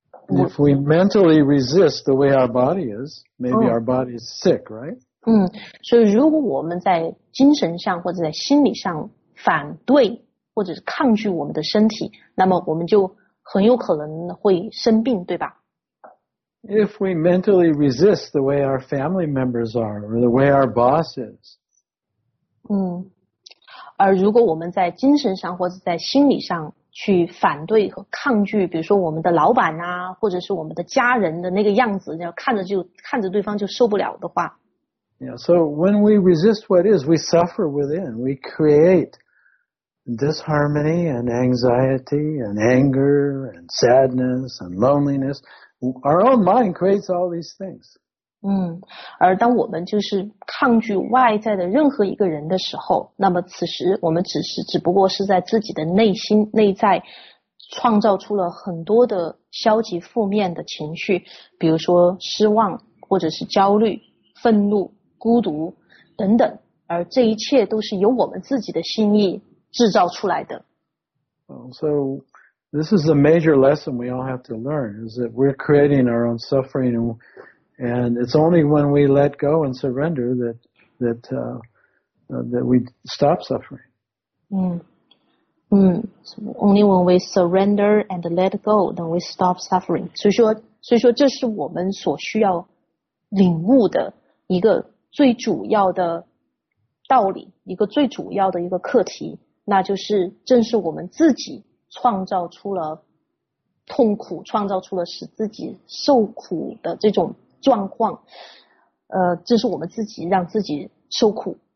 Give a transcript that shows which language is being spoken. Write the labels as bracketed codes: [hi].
[en] If we mentally resist the way our body is, maybe our body is sick, right? [zh] 所以如果我们在精神上或者在心理上反对或者是抗拒我们的身体，那么我们就很有可能会生病，对吧？ [en] If we mentally resist the way our family members are, or the way our boss is. [zh] 而如果我们在精神上或者在心理上去反对和抗拒，比如说我们的老板啊，或者是我们的家人的那个样子，看着对方就受不了的话。 [en] Yeah, so when we resist what is, we suffer within. We create disharmony and anxiety and anger and sadness and loneliness.Our own mind creates all these things. [zh] 而当我们就是抗拒外在的任何一个人的时候，那么此时我们只不过是在自己的内心内在创造出了很多的消极负面的情绪，比如说失望或者是焦虑、愤怒、孤独等等，而这一切都是由我们自己的心意制造出来的。 [en] So this is a major lesson we all have to learn, is that we're creating our own suffering, and it's only when we let go and surrender that we stop suffering. Only when we surrender and let go, then we stop suffering. [zh] 所以说这是我们所需要领悟的一个最主要的道理，一个最主要的一个课题，那就是正是我们自己创造出了痛苦，创造出了使自己受苦的这种状况，这是我们自己让自己受苦。